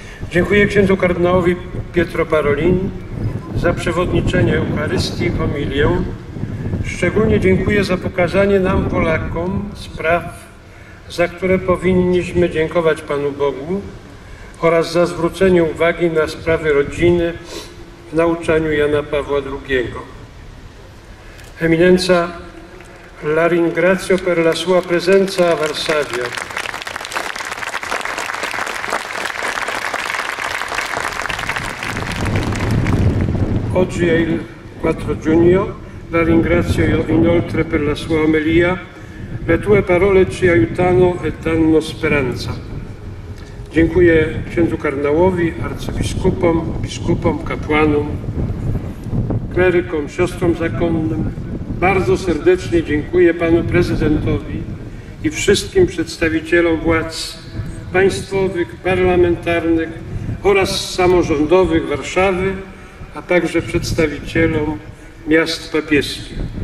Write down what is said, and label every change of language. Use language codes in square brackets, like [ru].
[pl] Dziękuję księdzu kardynałowi Pietro Parolin za przewodniczenie Eucharystii i homilię. Szczególnie dziękuję za pokazanie nam, Polakom, spraw, za które powinniśmy dziękować Panu Bogu oraz za zwrócenie uwagi na sprawy rodziny w nauczaniu Jana Pawła II. [it] Eminenza, la ringrazio per la sua presenza a Varsavia. Oggi è il 4 giugno. La ringrazio inoltre per la sua omelia. Le tue parole ci aiutano e danno speranza. [pl] Dziękuję księdzu kardynałowi, arcybiskupom, biskupom, kapłanom, klerykom, siostrom zakonnym. Bardzo serdecznie dziękuję panu prezydentowi i wszystkim przedstawicielom władz państwowych, parlamentarnych oraz samorządowych Warszawy, a także przedstawicielom miast papieskich.